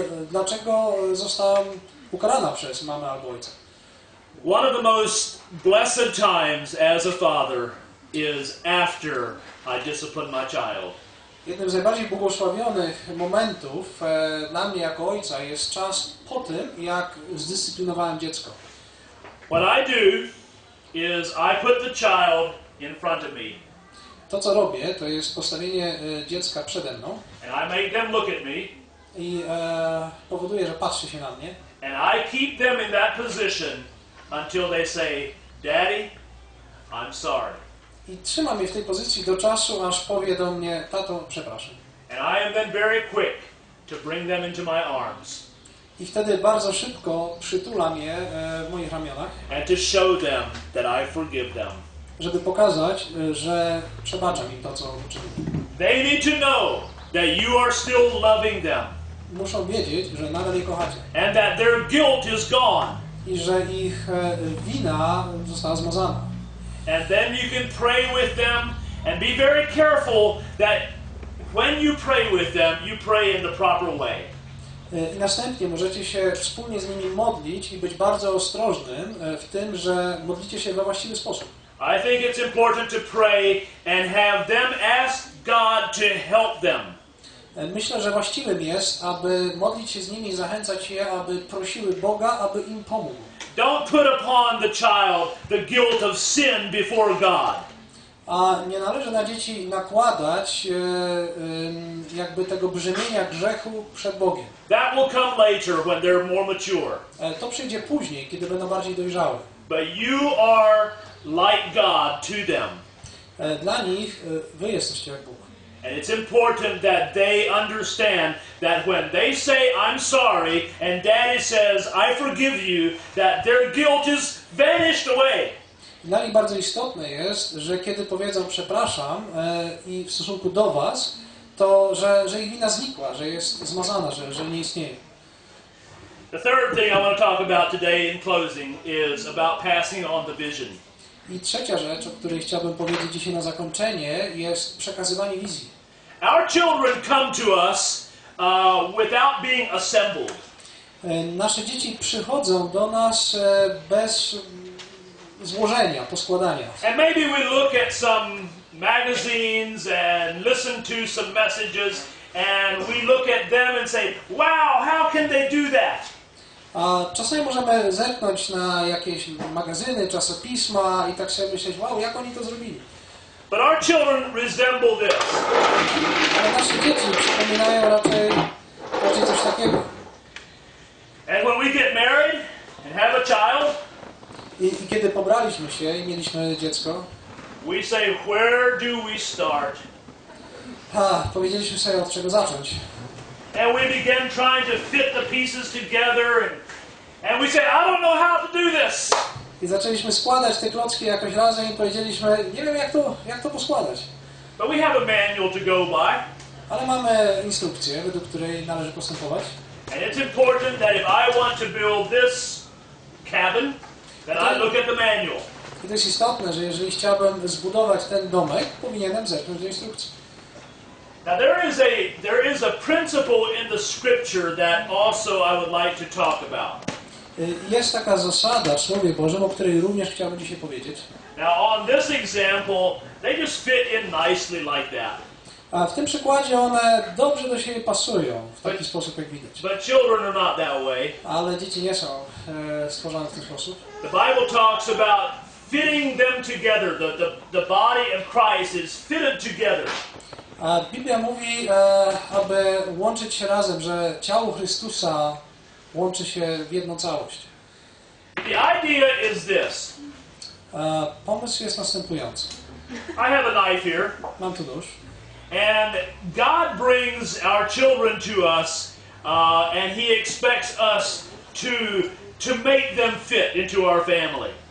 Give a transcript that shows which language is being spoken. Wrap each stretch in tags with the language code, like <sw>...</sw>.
<pl>Dlaczego zostałam ukarana przez mamę albo ojca?</pl> <en>One of the most blessed times as a father is after I discipline my child.</en> <pl>Jednym z najbardziej błogosławionych momentów dla mnie jako ojca jest czas po tym, jak zdyscyplinowałem dziecko.</pl> <en>What I do is I put the child in front of me.</en> <pl>To, co robię, to jest postawienie dziecka przede mną.</pl> <en>And I make them look at me.</en> <pl>I powoduje, że patrzy się na mnie.</pl> <en>And I keep them in that position until they say, Daddy, I'm sorry.</en> <pl>I trzymam je w tej pozycji do czasu, aż powie do mnie, tato, przepraszam.</pl> <en>And I am then very quick to bring them into my arms.</en> <pl>I wtedy bardzo szybko przytulam je w moich ramionach.</pl> <en>And to show them that I forgive them.</en> <pl>Żeby pokazać, że przebaczam im to, co uczynili.</pl> <en>They need to know that you are still loving them.</en> <pl>Muszą wiedzieć, że nadal je kochacie.</pl> <en>And that their guilt is gone.</en> <pl>I że ich wina została zmazana.</pl> <en>And then you can pray with them and be very careful that when you pray with them, you pray in the proper way.</en> <pl>I następnie możecie się wspólnie z nimi modlić i być bardzo ostrożnym w tym, że modlicie się we właściwy sposób.</pl> <en>I think it's important to pray and have them ask God to help them.</en> <pl>Myślę, że właściwym jest, aby modlić się z nimi i zachęcać je, aby prosiły Boga, aby im pomógł.</pl> <en>Don't put upon the child the guilt of sin before God.</en> <pl>A nie należy na dzieci nakładać jakby tego brzemienia grzechu przed Bogiem.</pl> <en>That will come later when they're more mature.</en> <pl>To przyjdzie później, kiedy będą bardziej dojrzały.</pl> <en>But you are like God to them.</en> <pl>Dla nich wy jesteście jak Bóg.</pl> <en>And it's important that they understand that when they say I'm sorry and daddy says I forgive you, that their guilt is vanished away.</en> <pl>Dla nich bardzo istotne jest, że kiedy powiedzą przepraszam i w stosunku do was, to że ich wina znikła, że jest zmazana, że nie istnieje.</pl> <en>The third thing I want to talk about today in closing is about passing on the vision.</en> <pl>I trzecia rzecz, o której chciałbym powiedzieć dzisiaj na zakończenie, jest przekazywanie wizji.</pl> <en>Our children come to us without being assembled.</en> <pl>Nasze dzieci przychodzą do nas bez złożenia, poskładania.</pl> <en>And maybe we look at some magazines and listen to some messages and we look at them and say, wow, how can they do that?</en> <pl>A czasami możemy zerknąć na jakieś magazyny, czasopisma i tak sobie myśleć, wow, jak oni to zrobili.</pl> <en>But our children resemble this.</en> <pl>Ale nasze dzieci przypominają raczej coś takiego.</pl> <en>And when we get married and have a child,</en> <pl>I kiedy pobraliśmy się i mieliśmy dziecko,</pl> <en>we say, where do we start?</en> <pl>Powiedzieliśmy sobie, od czego zacząć.</pl> <en>And we begin trying to fit the pieces together and we say, I don't know how to do this.</en> <pl>I zaczęliśmy składać te klocki jakoś razem i powiedzieliśmy, nie wiem jak to poskładać.</pl> <en>But we have a manual to go by.</en> <pl>Ale mamy instrukcję, według której należy postępować.</pl> <en>And it's important that if I want to build this cabin, that I look at the manual.</en> <pl>I to jest istotne, że jeżeli chciałbym zbudować ten domek, powinienem zerknąć do instrukcji.</pl> <en>Now there is a principle in the scripture that also I would like to talk about.</en> <pl>Jest taka zasada w Słowie Bożym, o której również chciałbym dzisiaj powiedzieć.</pl> <en>Now on this example, they just fit in nicely like that.</en> <pl>A w tym przykładzie one dobrze do siebie pasują w taki sposób, jak widać.</pl> <en>But children are not that way.</en> <pl>Ale dzieci nie są stworzone w ten sposób.</pl> <en>The Bible talks about fitting them together. The body of Christ is fitted together.</en> <pl>A Biblia mówi, aby łączyć się razem, że ciało Chrystusa łączy się w jedną całość.</pl> <en>The idea is this.</en> <pl>Pomysł jest następujący.</pl> <en>I have a knife here.</en> <pl>Mam tu nóż.</pl> <en>And God brings our children to us, and He expects us to make them fit into our family.</en>